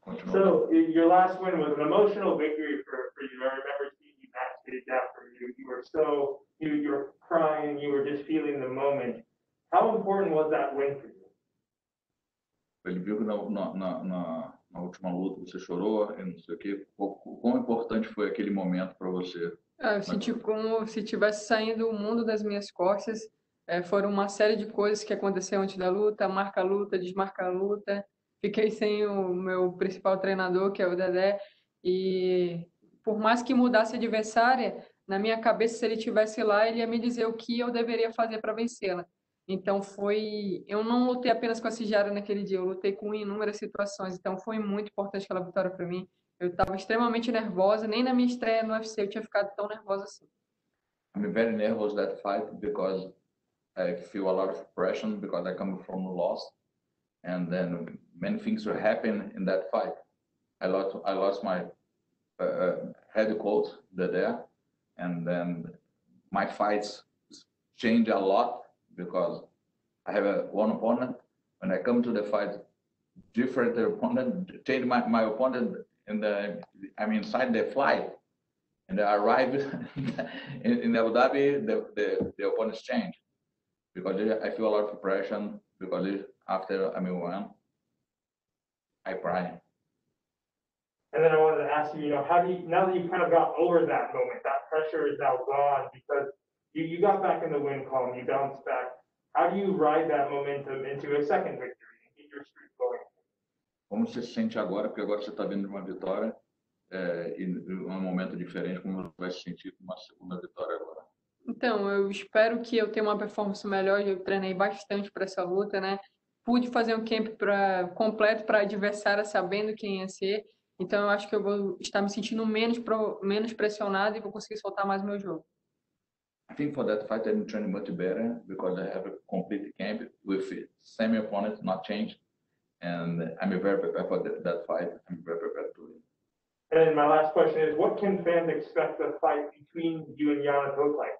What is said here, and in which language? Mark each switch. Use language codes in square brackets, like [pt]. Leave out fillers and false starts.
[en] So your last win was an emotional victory for you. I remember seeing you backstage after you were so, you were crying, you were just feeling the moment. How important was that win for you? [pt] Ele viu que na última luta, você chorou e não sei o quê. Quão importante foi aquele momento para você? Eu senti como se tivesse saindo o mundo das minhas costas. Foram uma série de coisas que aconteceram antes da luta, marca a luta, desmarca a luta. Fiquei sem o meu principal treinador, que é o Dedé. E por mais que mudasse a adversária, na minha cabeça, se ele estivesse lá, ele ia me dizer o que eu deveria fazer para vencê-la. Então foi... Eu não lutei apenas com a Cigiara naquele dia, eu lutei com inúmeras situações. Então foi muito importante aquela vitória para mim. Eu estava extremamente nervosa, nem na minha estreia no UFC eu tinha ficado tão nervosa assim. [en] I'm very nervous that fight because I feel a lot of pressure because I come from a loss. And then many things were happening in that fight. I lost my head coach there. And then my fights change a lot because I have one opponent. When I come to the fight, different opponent, change my opponent. And I'm inside the flight. And I arrived in Abu Dhabi, the opponents change because I feel a lot of pressure. Because after I move on, I cry. And then I wanted to ask you, now that you kind of got over that moment, that pressure is now gone because you got back in the win column, you bounced back. How do you ride that momentum into a second victory and get your streak going? [pt] Como você se sente agora? Porque agora você está vindo de uma vitória e um momento diferente. Como você vai se sentir com uma segunda vitória agora? Então, eu espero que eu tenha uma performance melhor. Eu treinei bastante para essa luta, né? Pude fazer um camp completo para a adversária, sabendo quem ia ser. Então, eu acho que eu vou estar me sentindo menos pressionado e vou conseguir soltar mais meu jogo. [en] I think for that fight, I'm training much better because I have a complete camp with same opponent, not changed. And I'm very prepared for that fight. I'm very prepared to win. And my last question is, what can fans expect the fight between you and Yana to look like?